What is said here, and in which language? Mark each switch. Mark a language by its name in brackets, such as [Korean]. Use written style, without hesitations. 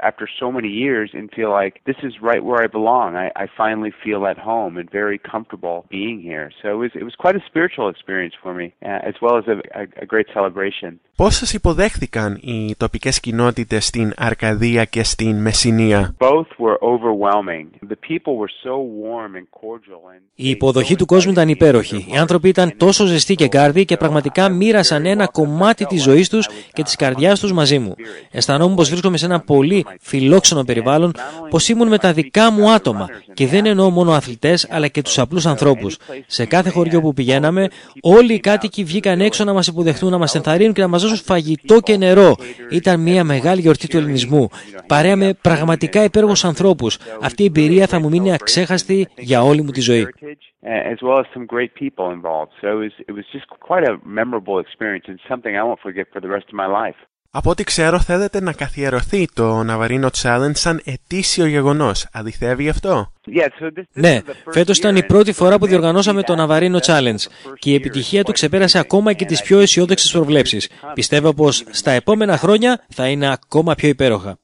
[English] after so many years and feel like this is right where I belong. I finally feel at home and very comfortable being here. So it was quite a spiritual experience for me, as well as a great celebration. [Greek] Πώς σας υποδέχθηκαν οι τοπικές κοινότητες στην Αρκαδία και στην Μεσσηνία? [English] Both were overwhelming. The people were so warm and cordial. [Greek] Η υποδοχή του κόσμου ήταν υπέροχη. Οι άνθρωποι ήταν τόσο ζεστοί και γκάρδοι και πραγματικά μοίρασαν ένα κομμάτι της ζωής τους και της καρδιάς τους μαζί μου. Αισθανόμουν πως βρίσκομαι σε ένα πολύ φιλόξενο περιβάλλον, πως ήμουν με τα δικά μου άτομα και δεν εννοώ μόνο αθλητές, αλλά και τους απλούς ανθρώπους. Σε κάθε χωριό που πηγαίναμε, όλοι οι κάτοικοι βγήκαν έξω να μας υποδεχτούν, να μας ενθαρρύνουν και να μας δώσουν φαγητό και νερό. Ήταν μια μεγάλη γιορτή του ελληνισμού. Παρέα με πραγματικά υπέροχους ανθρώπους. Αυτή η εμπειρία θα μου μείνει αξέχαστη για όλη μου τη ζωή. [English] As well as some great people involved. So it was just quite a memorable experience and something I won't forget for the rest of my life. [Greek] Από ό,τι ξέρω, θέλετε να καθιερωθεί το Ναβαρίνο Challenge σαν ετήσιο γεγονός. Αληθεύει αυτό? Ναι, φέτος ήταν η πρώτη φορά που διοργανώσαμε το Ναβαρίνο Challenge και η επιτυχία του ξεπέρασε ακόμα και τις πιο αισιόδοξες προβλέψεις. Πιστεύω πως στα επόμενα χρόνια θα είναι ακόμα πιο υπέροχα.